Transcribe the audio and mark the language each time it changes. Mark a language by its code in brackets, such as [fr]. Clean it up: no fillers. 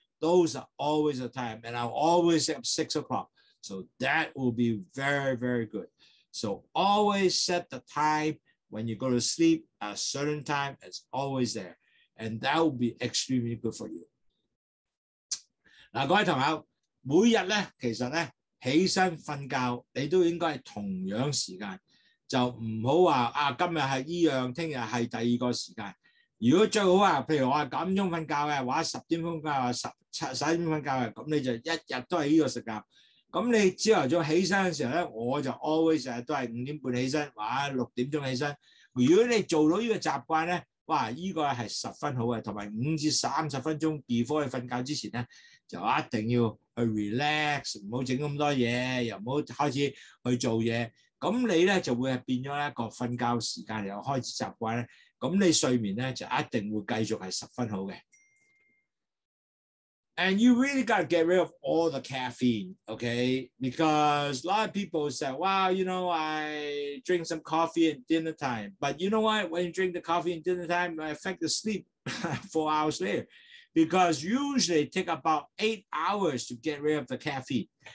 [en] Those are always the time. And I'll always say 6 o'clock. So that will be very, very good. So always set the time when you go to sleep, a certain time is always there. And that will be extremely good for you. Now, [zh] 各位同學, 每天呢, 其實呢, 起床睡覺, 你都應該是同樣時間, 就不要說, 啊, 今天是這樣, 明天是第二個時間。如果最好, 譬如我9點睡覺, 或10點睡覺, 或11點睡覺, 那你就一天都是這個時間。那你早上起床的時候, 我就 [en] always [zh] 都是5點半起床, 或6點起床。如果你做到這個習慣, 哇, 這個是十分好的, 還有5至30分鐘 [en] before [zh] 你睡覺之前呢, 就一定要去 [en] relax, [zh] 不要弄那麼多東西, 又不要開始去做事, 那你呢, 就會變成一個睡覺時間, 又開始習慣, 那你睡眠呢, 就一定會繼續是十分好的。 [en] And you really got to get rid of all the caffeine, okay? Because a lot of people say, wow, you know, I drink some coffee at dinner time. But you know what? When you drink the coffee at dinner time, it affects the sleep 4 hours later. Because usually it takes about 8 hours to get rid of the caffeine.